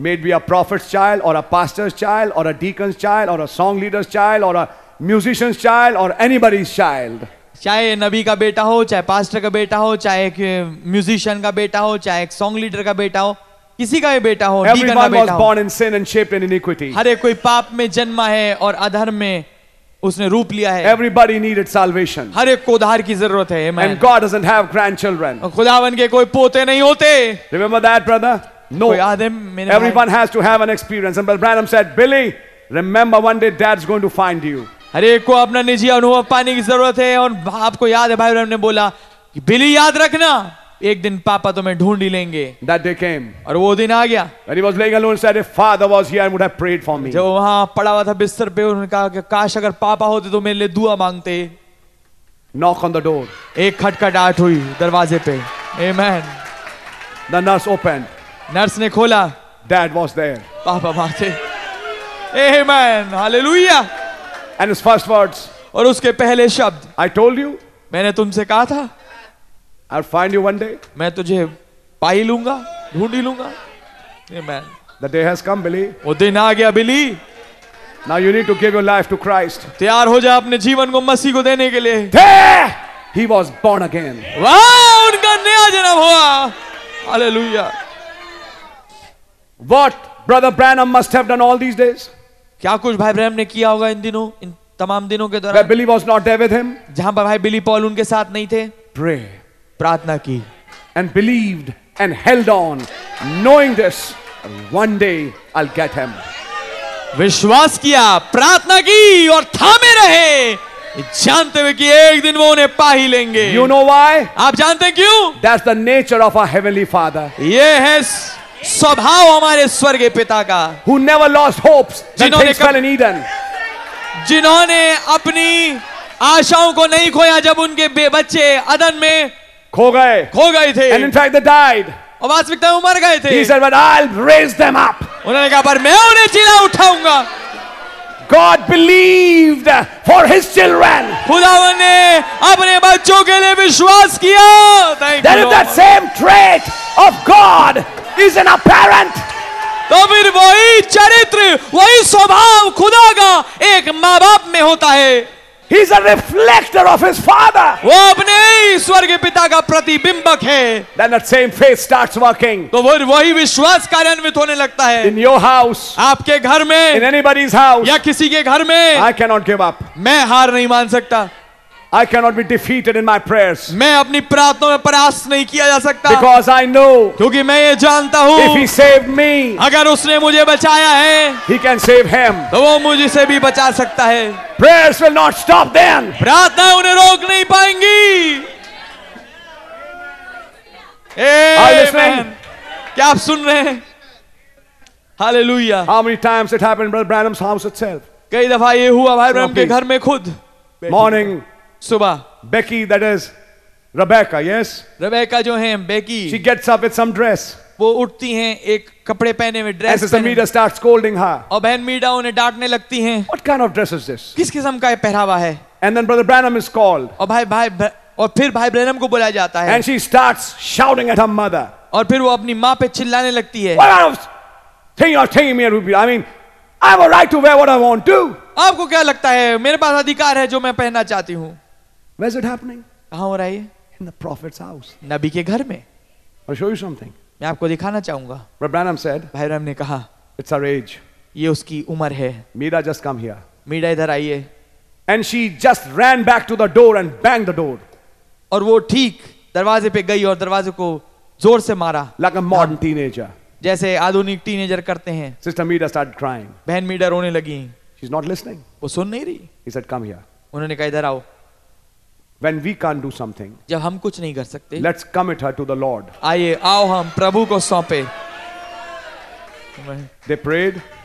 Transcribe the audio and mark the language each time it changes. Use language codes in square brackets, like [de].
[en] Maybe a prophet's child or a pastor's child or a deacon's child or a song leader's child or a musician's child or anybody's child. [hi] चाहे नबी का बेटा हो, चाहे pastor का बेटा हो, चाहे एक म्यूजिशियन का बेटा हो, चाहे एक सॉन्ग लीडर का बेटा हो. किसी का ये बेटा हो. [en] Everyone was born in sin and shaped in iniquity. [hi] हर एक कोई पाप में जन्मा है और अधर्म में उसने रूप लिया है. [en] Everybody needed salvation. [hi] हर एक को उद्धार की जरूरत है. [en] And God doesn't have grandchildren. [hi] और खुदावन के कोई पोते नहीं होते. [en] Remember that, brother? No. Everyone has to have an experience. And Brother Branham said, Billy, remember one day dad's going to find you. [hi] हर एक को अपना निजी अनुभव पाने की जरूरत है. और आपको याद है भाई ब्रैनम ने बोला कि बिली याद रखना, एक दिन पापा तुम्हें ढूंढ ही लेंगे. [en] That day came. [hi] और वो दिन आ गया. [en] When he was laying alone, said, "If father was here, I would have prayed for me." [hi] जब वहाँ पड़ा हुआ था बिस्तर पे, उन्होंने कहा कि काश अगर पापा होते तो मेरे लिए दुआ मांगते. [en] Knock on the door. [hi] एक खटखटाहट हुई दरवाजे पे. [en] Amen. The nurse opened. [hi] Nurse ने खोला. [en] Dad was there. [hi] पापा वहाँ थे. Amen. Hallelujah. [en] And his first words. [hi] और उसके पहले शब्द. [en] I told you. [hi] मैंने तुमसे कहा था. [en] I'll find you one day. [hi] मैं तुझे पाई लूंगा, ढूंढ ही लूंगा. Amen. [en] The day has come, Billy. [hi] वो दिन आ गया, Billy. [en] Now you need to give your life to Christ. [hi] तैयार हो जा अपने जीवन को मसीह को देने के लिए. [en] There, he was born again. [hi] Wow, उनका नया जन्म हुआ. [en] Hallelujah. What Brother Branham must have done all these days? [hi] क्या कुछ भाई ब्रैनम ने किया होगा इन दिनों, इन तमाम दिनों के दौरान? [en] Where Billy was not there with him. [hi] जहां पर भाई बिली पॉल उनके साथ नहीं थे. [en] Pray. [hi] प्रार्थना की. [en] And believed and held on, knowing this, one day I'll get him. [hi] विश्वास किया, प्रार्थना की और थामे रहे, जानते हुए कि एक दिन वो उन्हें पा ही लेंगे. [en] You know why? [hi] आप जानते क्यों? [en] That's the nature of our heavenly father. [hi] ये है स्वभाव हमारे स्वर्गीय पिता का. [en] Who never lost hopes when things fell in Eden. [hi] जिन्होंने अपनी आशाओं को नहीं खोया जब उनके बच्चे अदन में खो गए थे. [en] And in fact they died. [hi] और वास्तविकता में मर गए थे. [en] He said, "But I'll raise them up." [hi] उन्होंने कहा, पर मैं उन्हें जिला उठाऊंगा. [en] God believed for his children. [hi] खुदावन ने अपने बच्चों के लिए विश्वास किया. [en] That is that same trait of God is in a parent. [hi] तो फिर वही चरित्र, वही स्वभाव खुदा का एक माँ बाप में होता है. [en] He's a reflector of his father. [hi] वो अपने स्वर्ग पिता का प्रतिबिंबक है. [en] Then that same faith starts working. [hi] तो वही विश्वास कार्यान्वित होने लगता है. [en] In your house. [hi] आपके घर में. [en] In anybody's house. [hi] या किसी के घर में. [en] I cannot give up. [hi] मैं हार नहीं मान सकता. [en] I cannot be defeated in my prayers. [hi] मैं अपनी प्रार्थनाओं में परास्त नहीं किया जा सकता. [en] Because I know. [hi] क्योंकि मैं ये जानता हूँ. [en] If he saved me. [hi] अगर उसने मुझे बचाया है. [en] He can save him. [hi] तो वो मुझसे भी बचा सकता है. [en] Prayers will not stop them. [hi] प्रार्थना उन्हें रोक नहीं पाएंगी. [en] Amen. [hi] क्या आप सुन रहे हैं? Hallelujah. [en] How many times it happened, Brother Branham's house itself? [hi] कई दफा ये हुआ भाई ब्रैनम के घर में खुद. [en] Morning. [hi] सुबह. [en] Becky, that is Rebecca, yes. [hi] Rebecca जो हैं, Becky. [en] She gets up with some dress. [hi] वो उठती हैं एक कपड़े पहने हुए dress. [en] As the meter starts scolding her. [hi] और बहन मीडा उन्हें डांटने लगती हैं. [en] What kind of dress is this? [hi] किस किस्म का ये पहरावा है? [en] And then Brother Branham is called. [hi] और भाई और फिर भाई ब्रैनम को बुलाया जाता है. [en] And she starts shouting at her mother. [hi] और फिर वो अपनी माँ पे चिल्लाने लगती है. [en] What kind of thing you're taking me to be? I mean, I have a right to wear what I want to. [hi] आपको क्या लगता है? मेरे पास अधिकार है जो मैं पहनना चाहती हूँ. [en] Where is it happening? [hi] कहाँ हो रहा है? [en] In the prophet's house. [hi] नबी के घर में. [en] I'll show you something. [hi] मैं आपको दिखाना चाहूंगा. [en] Brother Branham said. [hi] भाई ब्रैनम ने कहा. [en] It's her age. [hi] ये उसकी उम्र है. [en] Meera, just come here. [hi] Meera, इधर आइए. [en] And she just ran back to the door and banged the door. [hi] और वो ठीक दरवाजे पे गई और दरवाजे को जोर से मारा. [en] Like a modern teenager. [hi] जैसे आधुनिक टीनेजर करते हैं. [en] Sister Meera started crying. [hi] बहन मीरा रोने लगी. [en] She's not listening. [hi] वो सुन नहीं रही. [en] He said, come here. [hi] उन्होंने कहा इधर आओ. [en] When we can't do something, [hi] जब हम कुछ नहीं कर सकते, [en] let's commit her to the Lord. [hi] आइए आओ हम प्रभु को सौंपे. [en] They prayed.